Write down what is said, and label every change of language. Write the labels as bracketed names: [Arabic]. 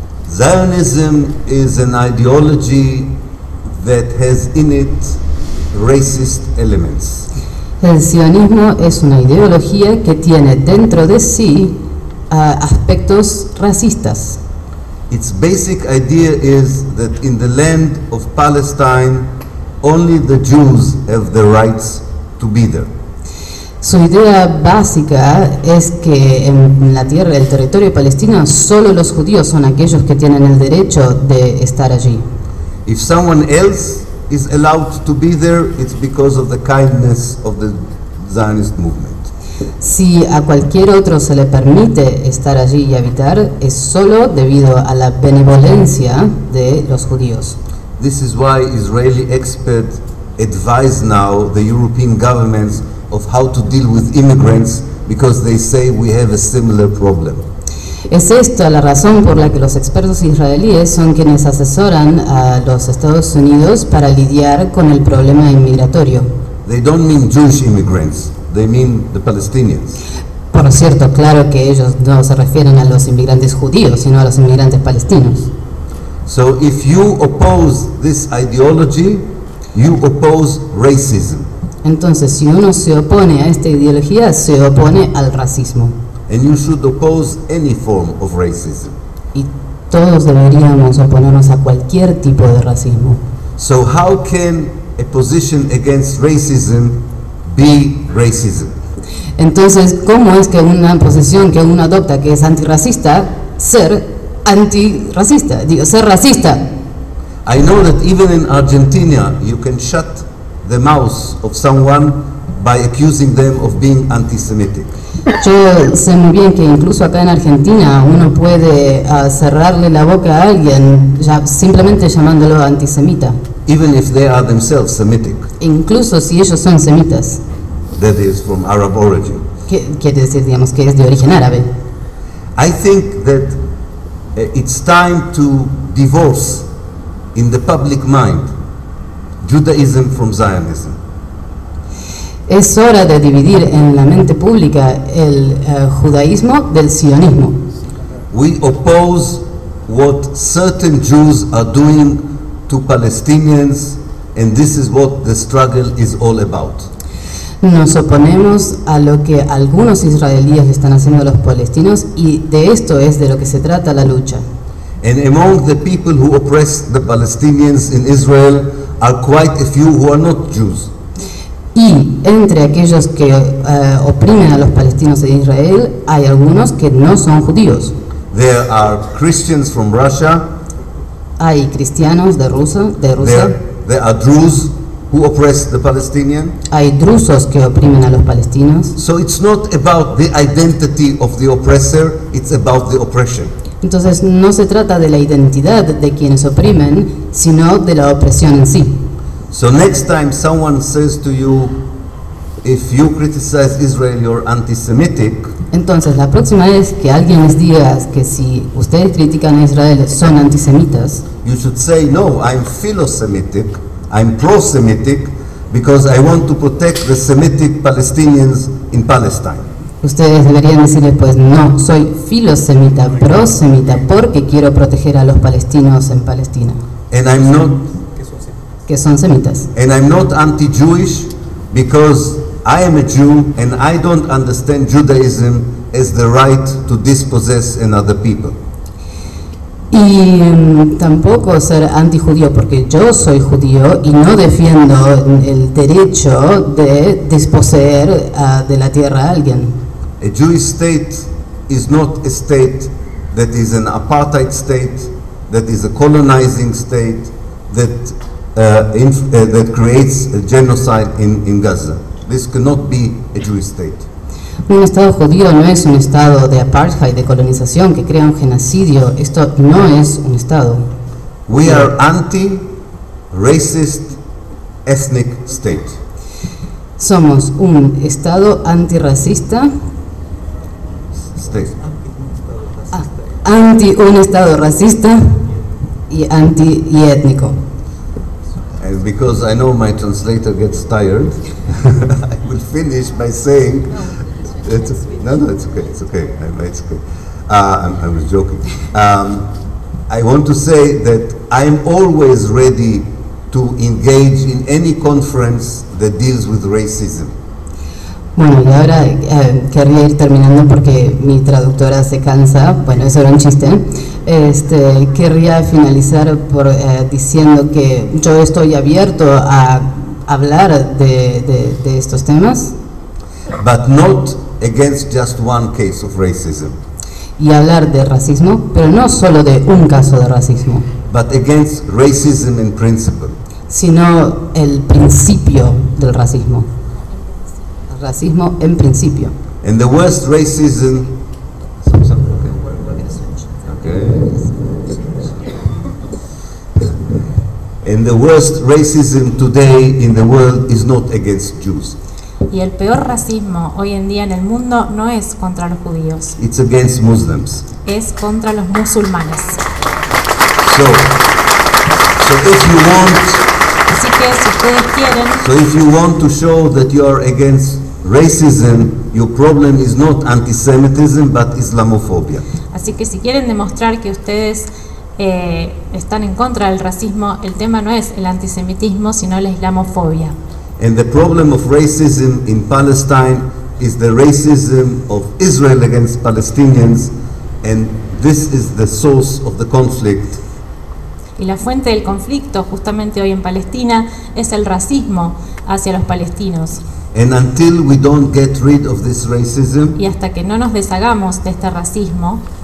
[English] Zionism is an ideology that has in it racist elements. [Spanish] El sionismo es una ideología que tiene dentro de sí aspectos racistas. [English] Its basic idea is that in the land of Palestine, only the Jews have the rights to be there. [Spanish] Su idea básica es que en la tierra, el territorio palestino, solo los judíos son aquellos que tienen el derecho de estar allí. [English] If someone else is allowed to be there, it's because of the kindness of the Zionist movement. [Spanish] Si a cualquier otro se le permite estar allí y habitar, es solo debido a la benevolencia de los judíos. [English] This is why Israeli expert advise now the European governments of how to deal with immigrants because they say we have a similar problem. [Spanish] Es esta la razón por la que los expertos israelíes son quienes asesoran a los Estados Unidos para lidiar con el problema inmigratorio. [English] They don't mean Jewish immigrants, they mean the Palestinians. [Spanish] Por cierto, claro que ellos no se refieren a los inmigrantes judíos, sino a los inmigrantes palestinos. [English] So if you oppose this ideology, you oppose racism. [Spanish] Entonces, si uno se opone a esta ideología, se opone al racismo. [English] And you should oppose any form of racism. [Spanish] Y todos deberíamos oponernos a cualquier tipo de racismo. [English] So how can a position against racism be racism? [Spanish] Entonces, ¿cómo es que una posición que uno adopta que es antirracista ser antirracista? Digo, ser racista. [English] I know that even in Argentina you can shut the mouth of someone by accusing them of being anti-Semitic. [Spanish] Yo sé muy bien que incluso acá en Argentina uno puede cerrarle la boca a alguien ya simplemente llamándolo antisemita. [English] Even if they are themselves Semitic. [Spanish] Incluso si ellos son semitas. [English] That is from Arab origin. [Spanish] ¿Qué quiere decir, digamos, que es de origen árabe? [English] I think that it's time to divorce in the public mind Judaism from Zionism. [Spanish] Es hora de dividir en la mente pública el judaísmo del sionismo. [English] We oppose what certain Jews are doing to Palestinians, and this is what the struggle is all about. [Spanish] Nos oponemos a lo que algunos israelíes están haciendo a los palestinos, y de esto es de lo que se trata la lucha. [English] And among the people who oppress the Palestinians in Israel are quite a few who are not Jews. [Spanish] Y entre aquellos que oprimen a los palestinos en Israel hay algunos que no son judíos. [English] There are Christians from Russia. [Spanish] Hay cristianos de Rusia. [English] There are Druze who oppress the Palestinians. [Spanish] Hay drusos que oprimen a los palestinos. [English] So it's not about the identity of the oppressor, it's about the oppression. [Spanish] Entonces no se trata de la identidad de quienes oprimen, sino de la opresión en sí. [English] So next time someone says to you, if you criticize Israel, you're anti-Semitic. [Spanish] Entonces la próxima vez que alguien les diga que si ustedes critican a Israel son antisemitas, [English] you should say, no, I'm philo-Semitic, I'm pro-Semitic, because I want to protect the Semitic Palestinians in Palestine. [Spanish] Ustedes deberían decirle, pues no, soy filosemita, prosemita, porque quiero proteger a los palestinos en Palestina. [English] And I'm not, [Spanish] que son semitas. [English] And I'm not anti-Jewish because I am a Jew and I don't understand Judaism as the right to dispossess another people. [Spanish] Y tampoco ser anti-judío porque yo soy judío y no defiendo el derecho de desposeer de la tierra a alguien. [English] A Jewish state is not a state that is an apartheid state, that is a colonizing state, that that creates a genocide in Gaza. This cannot be a Jewish state. [Spanish] Un Estado judío no es un Estado de apartheid, de colonización, que crea un genocidio. Esto no es un Estado. [English] We are anti-racist ethnic state. [Spanish] Somos un Estado antirracista. Anti un estado racista y anti y étnico. [English] And because I know my translator gets tired, I will finish by saying I want to say that I'm always ready to engage in any conference that deals with racism. [Spanish] Bueno, y ahora querría ir terminando porque mi traductora se cansa. Bueno, eso era un chiste. Querría finalizar por diciendo que yo estoy abierto a hablar de estos temas. [English] But not against just one case of racism. [Spanish] Y hablar de racismo, pero no solo de un caso de racismo. [English] But against racism in principle. [Spanish] Sino el principio del racismo. Racismo en principio. [English] And the worst racism. Okay. And the worst racism today in the world is not against Jews. [Spanish] Y el peor racismo hoy en día en el mundo no es contra los judíos. [English] It's against Muslims. [Spanish] Es contra los musulmanes. [English] So if you want, [Spanish] así que si ustedes quieren, [English] so if you want to show that you are against racism, your problem is not antisemitism but Islamophobia. [Spanish] Así que si quieren demostrar que ustedes están en contra del racismo, el tema no es el antisemitismo, sino la islamofobia. [English] And the problem of racism in Palestine is the racism of Israel against Palestinians, and this is the source of the conflict. [Spanish] Y la fuente del conflicto justamente hoy en Palestina es el racismo hacia los palestinos. [English] And until we don't get rid of this racism, [Spanish] y hasta que no nos deshagamos de este racismo,